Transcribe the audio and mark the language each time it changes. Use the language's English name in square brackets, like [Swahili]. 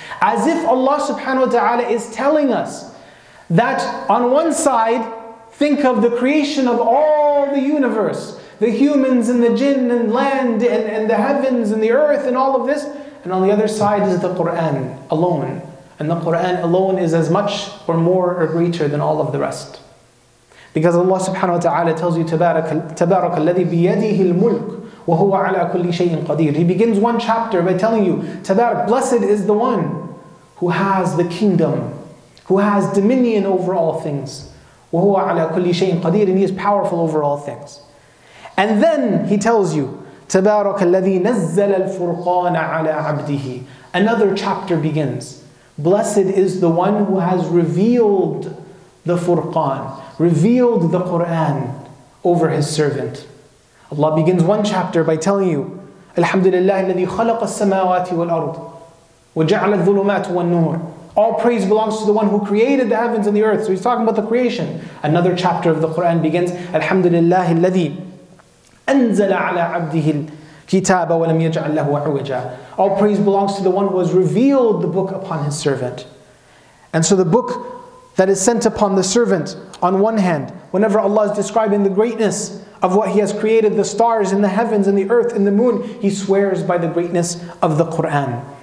[English] As if Allah subhanahu wa ta'ala is telling us that on one side, think of the creation of all the universe. The humans and the jinn and land and the heavens and the earth and all of this. And on the other side is the Qur'an alone. And the Qur'an alone is as much or more or greater than all of the rest. Because Allah subhanahu wa ta'ala tells you, [Arabic] تبارك الذي بيده الملك وهو على كل شيء قدير. [English] He begins one chapter by telling you, تبارك, blessed is the one who has the kingdom, who has dominion over all things. [Arabic] وهو على كل شيء قدير. [English] And He is powerful over all things. And then he tells you, [Arabic] تبارك الذي نزل الفرقان على عبده. [English] Another chapter begins. Blessed is the one who has revealed the Furqan, revealed the Quran over his servant. Allah begins one chapter by telling you, Alhamdulillah, [Arabic] الذي خلق السماوات والأرض وجعل الظلمات والنور. [English] All praise belongs to the one who created the heavens and the earth. So he's talking about the creation. Another chapter of the Quran begins, Alhamdulillah, [Arabic] الذي أنزل على عبده الكتاب ولم يجعل له عوجا. [English] All praise belongs to the one who has revealed the book upon his servant. And so the book that is sent upon the servant, on one hand, whenever Allah is describing the greatness of what He has created, the stars and the heavens and the earth and the moon, He swears by the greatness of the Qur'an.